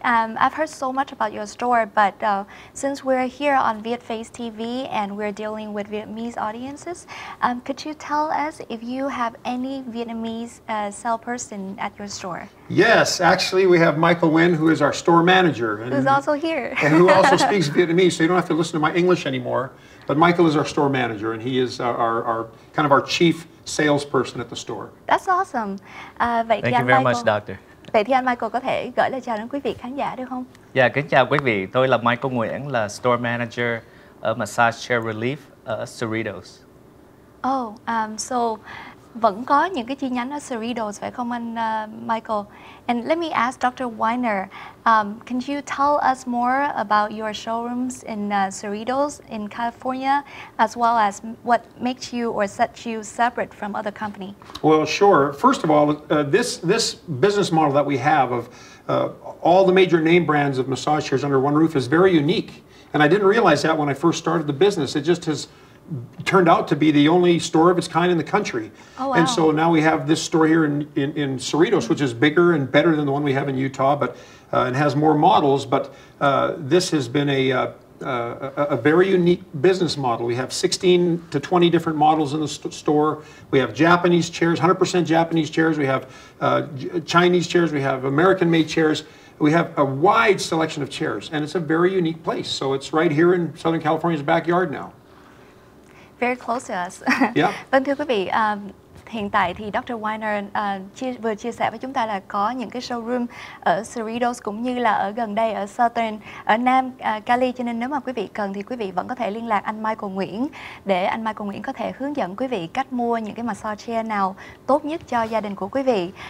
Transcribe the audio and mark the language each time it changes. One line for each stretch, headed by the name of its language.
English: I've heard so much about your store, but since we're here on Vietface TV and we're dealing with Vietnamese audiences, could you tell us if you have any Vietnamese salesperson at your store? Yes, actually, we have Michael Nguyen, who is our store manager. And, who's also here. And who also speaks Vietnamese, so you don't have to listen to my English anymore. But Michael is our store manager, and he is our kind of our chief salesperson at the store. That's awesome. Thank you very much, Doctor.
Vietnamese: Vậy thì anh Michael có thể gửi lời chào đến quý vị khán giả được không? Dạ, kính chào quý vị. Tôi là Michael Nguyễn, là store manager ở Massage Chair Relief ở Cerritos. So vẫn có những cái chi nhánh ở Cerritos phải không anh Michael?
English: And let me ask Dr. Weiner, can you tell us more about your showrooms in Cerritos in California, as well as what makes you or sets you separate from other company? Well, sure. First of all, this business model that we have of all the major name brands of massage chairs under one roof is very unique. And I didn't realize that when I first started the business. It just has turned out to be the only store of its kind in the country. Oh, wow. And so now we have this store here in Cerritos, which is bigger and better than the one we have in Utah, but and has more models. But this has been a very unique business model. We have 16 to 20 different models in the store. We have Japanese chairs, 100% Japanese chairs. We have Chinese chairs. We have American-made chairs. We have a wide selection of chairs, and it's a very unique place. So it's right here in Southern California's backyard now. Very close to us. Yeah.
Vietnamese: Vâng, thưa quý vị, hiện tại thì Dr. Weiner vừa chia sẻ với chúng ta là có những cái showroom ở Cerritos cũng như là ở gần đây ở Southern, ở Nam Cali. Cho nên nếu mà quý vị cần thì quý vị vẫn có thể liên lạc anh Michael Nguyễn để anh Michael Nguyễn có thể hướng dẫn quý vị cách mua những cái massage chair nào tốt nhất cho gia đình của quý vị.